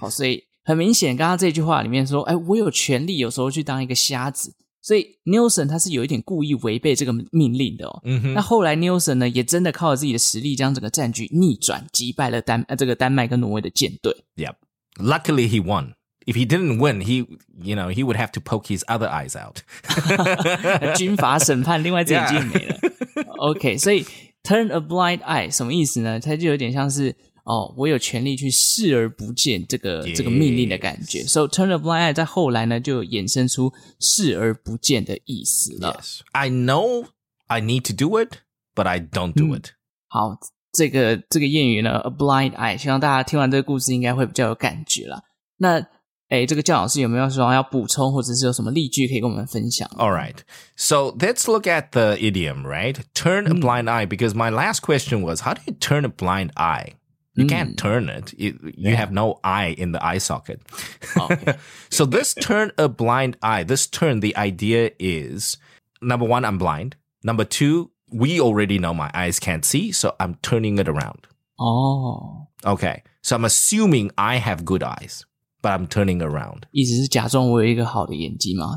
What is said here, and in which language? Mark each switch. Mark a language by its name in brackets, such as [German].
[Chinese] 好，所以很明显，刚刚这句话里面说，哎，我有权利有时候去当一个瞎子，所以 Nelson 他是有一点故意违背这个命令的哦。嗯哼。那后来 Nelson 呢，也真的靠着自己的实力，将整个战局逆转，击败了丹麦跟挪威的舰队。 [English] Yep. Luckily he won. If he didn't win, he, you know, he would have to poke his other eyes out. [Chinese] 军阀审判，另外这眼睛没了。 OK, 所以 turn a blind eye 什么意思呢？它就有点像是哦，我有权利去视而不见这个、 [English] yes. [Chinese] 这个命令的感觉。 [English] So turn a blind eye [Chinese] 在后来呢，就衍生出视而不见的意思了。 [English] Yes, I know I need to do it, but I don't do it.、 [Chinese] 嗯、好，这个谚语呢 ，a blind eye， 希望大家听完这个故事应该会比较有感觉了。那哎，这个教老师有没有说要补充，或者是有什么例句可以跟我们分享 [English] ？All right, so let's look at the idiom, right? Turn a blind eye, because my last question was, how do you turn a blind eye? You can't turn it. You have no eye in the eye socket. So this turn a blind eye, this turn, the idea is, number one, I'm blind. Number two, we already know my eyes can't see, so I'm turning it around. [Chinese] Oh. [English] Okay, so I'm assuming I have good eyes. But I'm turning around. [Chinese] 意思是假装我有一个好的眼睛吗？